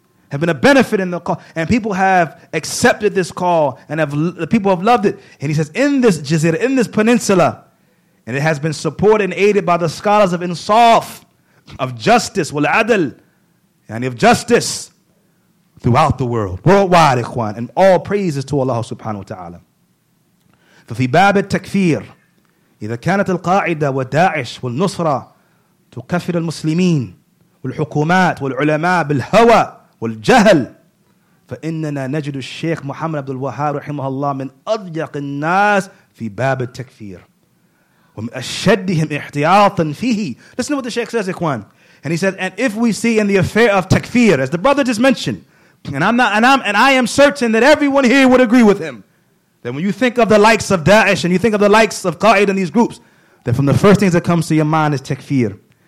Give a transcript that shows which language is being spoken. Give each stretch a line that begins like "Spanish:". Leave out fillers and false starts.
English: Have been a benefit in the call. And people have accepted this call, and the people have loved it. And he says, in this jazira, in this peninsula, and it has been supported and aided by the scholars of insaf, of justice, wal adl, and of justice throughout the world, worldwide, Ikhwan. And all praises to Allah subhanahu wa ta'ala.
Arabic: ففي باب التكفير إذا كانت القاعدة وداعش والنصرة تكفر المسلمين والحكومات والعلماء بالهوى والجهل فإننا نجد الشيخ محمد عبد الوهاب رحمه الله من أضيق الناس في باب التكفير ومن أشدهم احتياطا فيه.
English: Listen to what the Sheikh says, Ikhwan. And he says, and if we see in the affair of takfir, as the brother just mentioned, and I am certain that everyone here would agree with him, then when you think of the likes of Daesh and you think of the likes of Qaeda and these groups, then from the first things that comes to your mind is takfir.